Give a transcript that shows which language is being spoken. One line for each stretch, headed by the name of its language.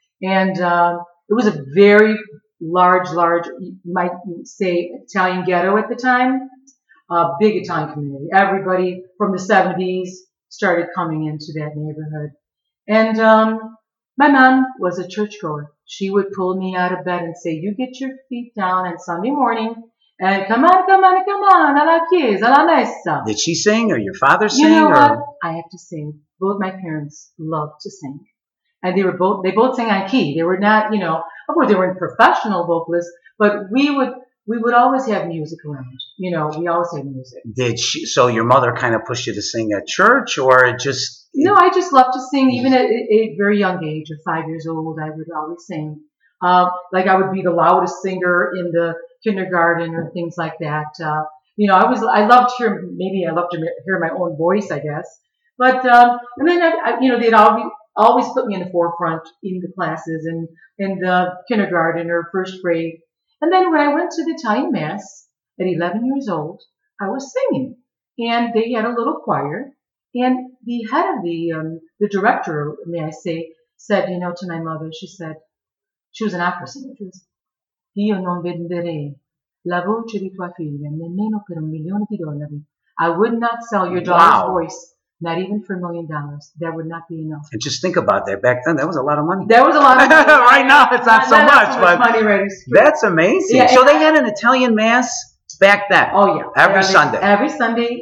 English: And it was a very large, large, you might say, Italian ghetto at the time. A big Italian community. Everybody from the 70s started coming into that neighborhood. And my mom was a churchgoer. She would pull me out of bed and say, you get your feet down on Sunday morning. And come on, come on, come on,
Italian: alla chiesa, alla messa.
English: Did she sing or your father sing? You know or? What? I have to say, both my parents loved to sing. And they both sang on key. They were not, you know, of course they weren't professional vocalists, but we would always have music around. You know, we always had music. Did she, so your mother kind of pushed you to sing at church or just? No, I just loved to sing. Even at a very young age, at 5 years old, I would always sing. Like I would be the loudest singer in the kindergarten or things like that. You know, I loved to hear my own voice, I guess. But, and then, they'd always put me in the forefront in the classes and in the kindergarten or first grade. And then when I went to the Italian Mass at 11 years old, I was singing. And they had a little choir. And the head of the director, may I say, said, you know, to my mother, she said, she was an opera singer. She was,
Italian: Io non venderei la voce di tua figlia nemmeno per un milione di dollari.
English: I would not sell your daughter's voice, not even for $1 million. That would not be enough. And just think about that. Back then, that was a lot of money. That was a lot of money. Right now, it's not so much. Not so much money, right? That's amazing. Yeah, so they had an Italian Mass back then. Oh, yeah. Every Sunday. Every Sunday.